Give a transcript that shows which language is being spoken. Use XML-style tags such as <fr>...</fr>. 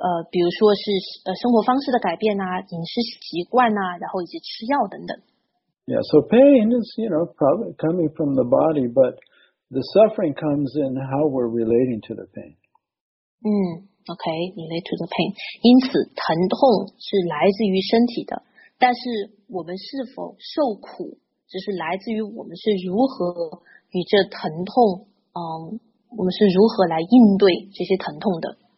<zh>比如说是生活方式的改变啊，饮食习惯啊，然后以及吃药等等。</zh> <en>Yeah, so pain is, you know, probably coming from the body, but the suffering comes in how we're relating to the pain. Okay, relate to the pain.</en> <zh>因此疼痛是来自于身体的，但是我们是否受苦，只是来自于我们是如何与这疼痛，我们是如何来应对这些疼痛的。</zh>